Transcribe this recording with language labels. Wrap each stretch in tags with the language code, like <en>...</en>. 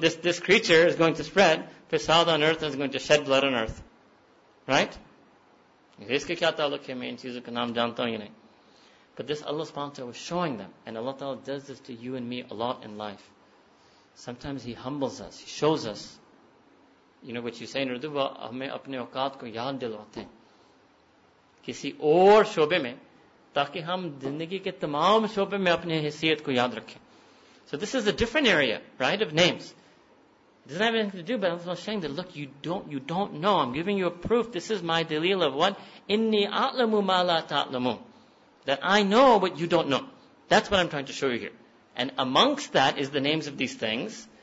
<en>This creature is going to spread fisad on earth and is going to shed blood on earth. Right? But this Allah subhanahu wa ta'ala was showing them. And Allah ta'ala does this to you and me a lot in life. Sometimes he humbles us. He shows us. You know what you say in Urdu?</en> <ur>ہمیں اپنے اوقات کو یاد دلواتے ہیں۔ کسی اور شعبے میں، تاکہ ہم زندگی کے تمام شعبے میں اپنے حیثیت کو یاد رکھے۔</ur> <en>So this is a different area, right, of names. It doesn't have anything to do, but I'm saying that, look, you don't know. I'm giving you a proof. This is my dalil of what?</en> <ar>Inni a'lamu ma la ta'lamu.</ar> <en>That I know what you don't know. That's what I'm trying to show you here. And amongst that is the names of these things.</en>